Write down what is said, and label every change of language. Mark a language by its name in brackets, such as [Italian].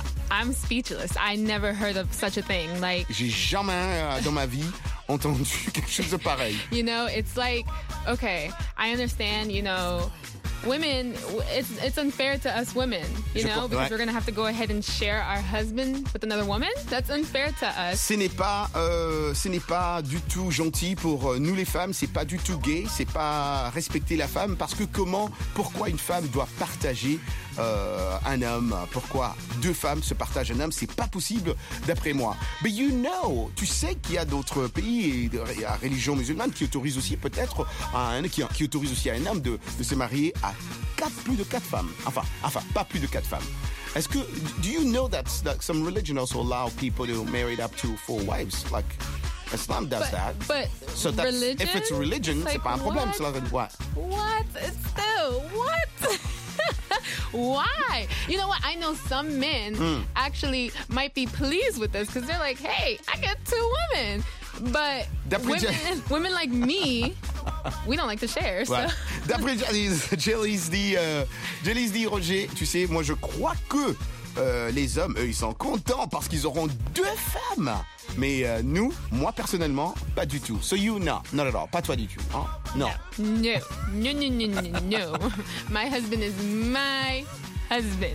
[English] I'm speechless. I never heard of such a thing. Like [French] j'ai jamais dans ma vie entendu quelque chose de pareil. [English] You know, it's like, okay, I understand, you know, women, it's unfair to us women, you know, because we're going to have to go ahead and share our husband with another woman. That's unfair to us. [French] Ce n'est pas du tout gentil pour nous les femmes, c'est pas du tout gay, c'est pas respecter la femme, parce que comment, pourquoi une femme doit partager un homme, pourquoi deux femmes se partagent un homme, c'est pas possible d'après moi. [English] But you know, [French] tu sais qu'il y a d'autres pays et à religion musulmane qui autorisent aussi peut-être qui autorise aussi à un homme de se marier à plus de quatre femmes. Enfin, pas plus de quatre femmes. Est-ce que [English] do you know that some religion also allow people to marry up to four wives? Like Islam does that. But so that's, religion? If it's religion, it's like, [French] c'est pas un problème. [English] What? So like, what? What? Still, what? Why? You know what? I know some men actually might be pleased with this because they're like, hey, I got two women. But women like me, we don't like to share. [French] Ouais. So. D'après Jelly's dit Roger, tu sais, moi je crois que les hommes, eux, ils sont contents parce qu'ils auront deux femmes. Mais nous, moi personnellement, pas du tout. [English] So you, not at all. [French] Pas toi du tout. Hein? Non. [English] No. My husband is my husband.